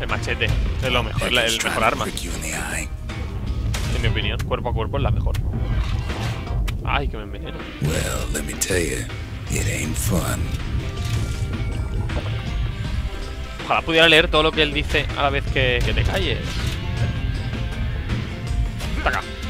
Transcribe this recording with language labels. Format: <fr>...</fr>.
<es>El machete es lo mejor, el mejor arma. En mi opinión, cuerpo a cuerpo es la mejor. Ay, que me envenena.</es> <en>Well, let me tell you, it ain't fun.</en> <es>Ojalá pudiera leer todo lo que él dice a la vez que te calles. Taca.</es>